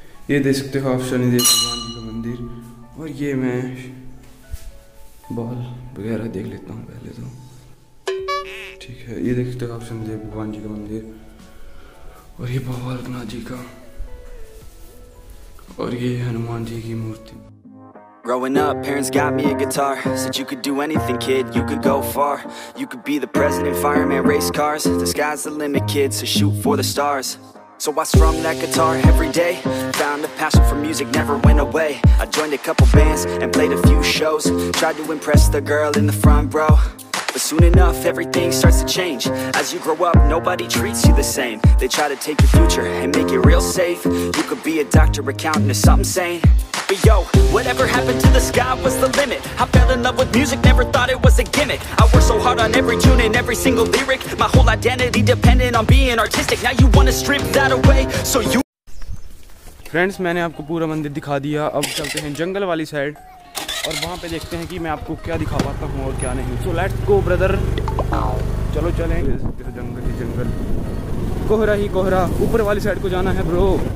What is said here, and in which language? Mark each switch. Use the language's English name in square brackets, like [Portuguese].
[Hindi] ये देख सकते हो आप शनिदेव भगवान जी का मंदिर, और ये मैं बॉल वगैरह देख लेता हूँ पहले तो, ठीक है। ये देख सकते हो आप शनिदेव भगवान जी का मंदिर, और ये भवरनाथ जी का, और ये हनुमान जी की मूर्ति। [English] Growing up, parents got me a guitar. Said you could do anything, kid, you could go far. You could be the president, fireman, race cars. The sky's the limit, kid, so shoot for the stars. So I strum that guitar every day. Found a passion for music, never went away. I joined a couple bands and played a few shows. Tried to impress the girl in the front row. But soon enough, everything starts to change. As you grow up, nobody treats you the same. They try to take your future and make it real safe. You could be a doctor, accountant, or something sane. But yo, whatever happened to the sky was the limit. I fell in love with music, never thought it was a gimmick. I worked so hard on every tune and every single lyric. My whole identity depended on being artistic. Now you wanna strip that away, so you... [Hindi] Friends, मैंने आपको पूरा मंदिर दिखा दिया। अब चलते हैं जंगल वाली साइड, और वहाँ पे देखते हैं कि मैं आपको क्या दिखा पाता हूँ और क्या नहीं। [English] so let's go brother, [Hindi] चलो चलें। जंगल ही जंगल, कोहरा ही कोहरा, ऊपर वाली साइड को जाना है ब्रो।